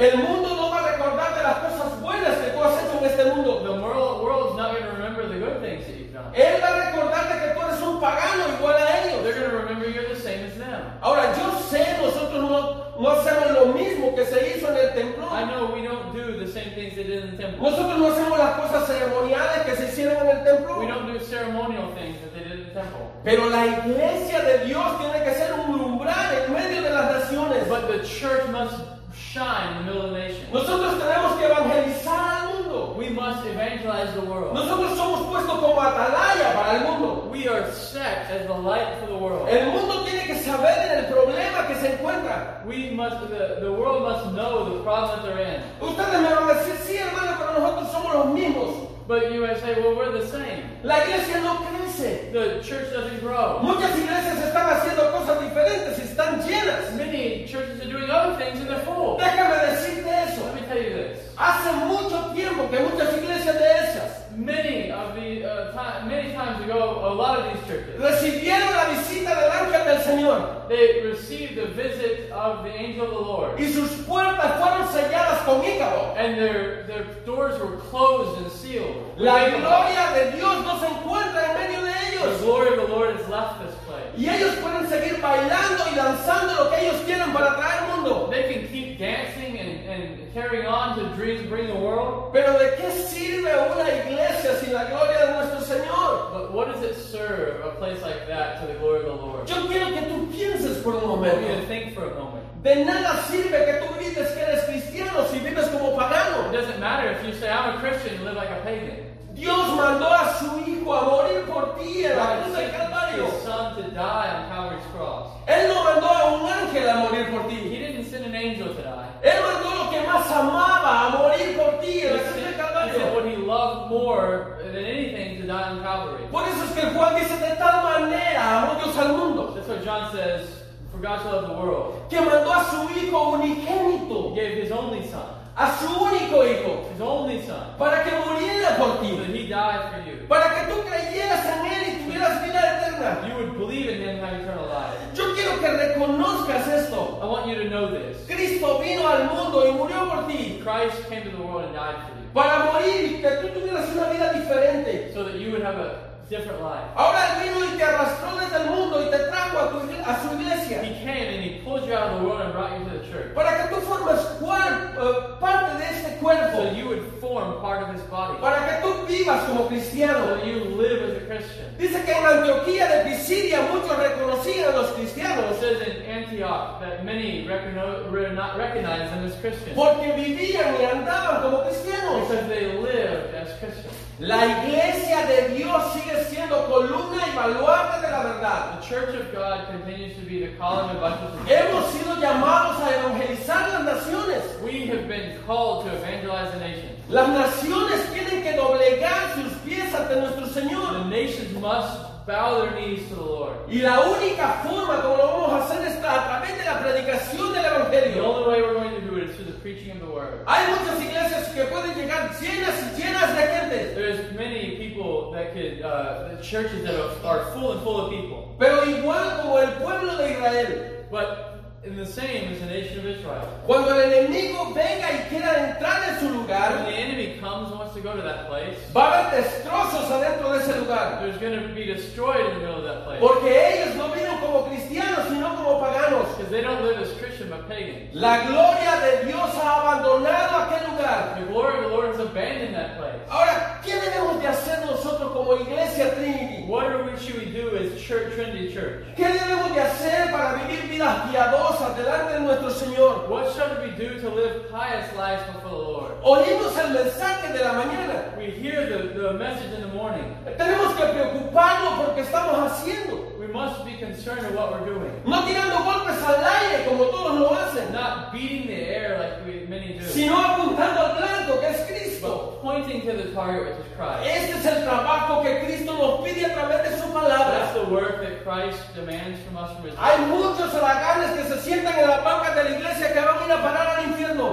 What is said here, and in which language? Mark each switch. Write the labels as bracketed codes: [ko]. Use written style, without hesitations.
[es] el mundo no va a recordar de las cosas buenas que tú has hecho en este mundo. [en] The world is not going to remember the good things that you've done. [es] Él va a recordarte que tú eres un pagano igual a ellos. [en] They're going to remember you're the same as them. [es] Ahora, yo sé, nosotros no hacemos lo mismo que se hizo en el templo. [en] I know we don't do the same things they did in the temple. [es] Nosotros no hacemos las cosas ceremoniales que se hicieron en el templo. [en] We don't do ceremonial things that they did in the temple. [es] Pero la iglesia de Dios tiene que ser un umbral en medio de las naciones. [en] But the church must shine in the middle of the nation. [es] Nosotros tenemos que evangelizar al mundo. [en] We must evangelize the world. [es] Nosotros somos puestos como atalaya para el mundo. [en] We are set as the light for the world. [es] El mundo tiene que saber en el problema que se encuentra. [en] We must, the world must know the problem that they're in. [es] Ustedes me van a decir, sí, hermano, pero nosotros somos los mismos. [en] But you may say, well, we're the same. [es] La iglesia no crece. [en] The church doesn't grow. [es] Muchas iglesias están haciendo cosas diferentes y están llenas. [en] Many churches are doing other things and they're full. [es] Déjame decirte eso. [en] Let me tell you this. [es] Hace mucho tiempo que muchas iglesias de esas, [en] many times ago, a lot of these churches [es] recibieron la visita del ángel del Señor. [en] They received the visit of the angel of the Lord. [es] Y sus puertas fueron selladas con ícaro. [en] And their doors were closed and sealed. [es] La gloria de Dios no se encuentra en medio de ellos. [en] The glory of the Lord has left this place. [es] Y ellos pueden seguir bailando y danzando lo que ellos quieren para traer mundo. [en] They can keep dancing and carrying on to dream, bring the world. [es] Pero ¿de qué sirve una iglesia sin la gloria de nuestro Señor? [en] But what does it serve, a place like that, to the glory of the Lord? [es] Yo quiero que tú pienses por un momento. [en] I want you to think for a moment. [es] De nada sirve que tú grites que eres cristiano si vives como pagano. [en] It doesn't matter if you say I'm a Christian and live like a pagan. [es] Dios mandó a su hijo a morir por ti en la cruz del Calvario. [en] His son to die on Calvary's cross. [es] Él no mandó a un ángel a morir por ti. [en] He didn't send an angel to die. [es] Él mandó lo que más amaba a morir por ti en la cruz del Calvario. [en] He said what he loved more than anything to die on Calvary. [es] Por eso es que Juan dice de tal manera amó Dios al mundo. [en] That's what John says, for God so loved the world. [es] Que mandó a su hijo unigénito. [en] He gave his only son. [es] A su único hijo, [en] his only son, [es] para que muriera por ti, [en] so he died for you, [es] para que tú creyeras en él y tuvieras vida eterna. [en] You would believe in him and have eternal life. [es] Yo quiero que reconozcas esto. [en] I want you to know this. [es] Cristo vino al mundo y murió por ti. [en] Christ came to the world and died for you. [es] Para morir y que tú tuvieras una vida diferente. [en] So that you would have a different life. [es] Ahora él vino y te arrastró desde el mundo y te trajo a su iglesia. [en] He came and he pulled you out of the world and brought you to the church. [es] Para que tú formes parte de este cuerpo. [en] So you would form part of his body. [es] Para que tú vivas como cristiano. [en] So you live as a Christian. [es] Dice que en Antioquía de Pisidia muchos reconocían a los cristianos. [en] It says in Antioch that many recognized them as Christians. [es] Porque vivían y andaban como cristianos. [en] Because they lived as Christians. [es] La iglesia de Dios sigue siendo columna y baluarte de la verdad. [en] The church of God continues to be the column and buttress. [es] Hemos sido llamados a evangelizar las naciones. [en] We have been called to evangelize the nations. [es] Las naciones tienen que doblegar sus pies ante nuestro Señor. [en] The nations must bow their knees to the Lord. [es] Y la única forma como lo vamos a hacer es a través de la predicación del evangelio. [en] The only way we're going to do it is through the preaching of the word. [es] Hay muchas iglesias que pueden llegar llenas y llenas de gente. [en] There's many people that could, the churches that are full and full of people. [es] Pero igual como el pueblo de Israel. [en] But in the same as the nation of Israel. [es] Cuando el enemigo venga y quiera entrar en su lugar. [en] When the enemy comes and wants to go to that place. [es] Va a haber destrozos adentro de ese lugar. [en] There's going to be destroyed in the middle of that place. [es] Porque ellos no vienen como cristianos, sino como paganos. [en] Because they don't live as Christian, but pagans. [es] La gloria de Dios ha abandonado aquel lugar. [en] The glory of the Lord has abandoned that place. [es] Ahora, ¿qué debemos de hacer nosotros como iglesia Trinity? [en] What should we do as Church Trinity Church? [es] ¿Qué debemos de hacer para vivir vidas piadosas? Delante de nuestro Señor. [en] What should we do to live pious lives before the Lord? [es] Oímos el mensaje de la mañana. [en] We hear the message in the morning. [es] Tenemos que preocuparnos por lo que estamos haciendo. [en] We must be concerned with what we're doing. [es] No tirando golpes al aire como todos lo hacen. [en] Not beating the air like many do. [es] Sino apuntando al blanco que es Cristo. [en] But pointing to the target which is Christ. [es] Este es el trabajo que Cristo nos pide a través de su palabra. [en] That's the work that Christ demands from us from his life. [es] Hay muchos haraganes que se sientan en la banca de la iglesia que van a ir a parar al infierno.